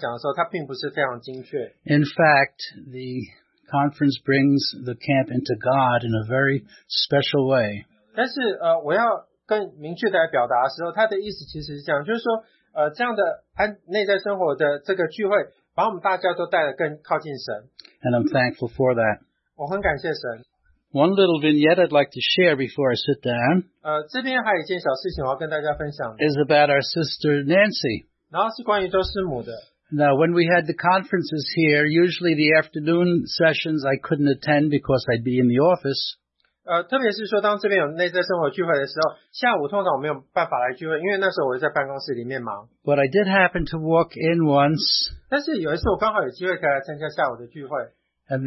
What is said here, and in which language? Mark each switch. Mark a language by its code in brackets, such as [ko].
[zh] 然后当我说这个是一个很棒的一个开始的时候，其实我这样讲的时候，他并不是非常精确。 [en] In fact, the conference brings the camp into God in a very special way. [zh] 但是我要更明确地表达的时候，他的意思其实是这样，就是说，这样的内在生活的这个聚会，把我们大家都带得更靠近神。 [en] And I'm thankful for that. [zh] 我很感谢神。 [en] One little vignette I'd like to share before I sit down. [zh] 这边还有一件小事情我要跟大家分享的。 [en] Is about our sister Nancy. [zh] 然后是关于周师母的。 [en] Now when we had the conferences here, usually the afternoon sessions I couldn't attend because I'd be in the office. [zh] 特别是说当这边有内在生活聚会的时候，下午通常我没有办法来聚会，因为那时候我在办公室里面忙。 [en] But I did happen to walk in once. [zh] 但是有一次我刚好有机会来参加下午的聚会。 [en] And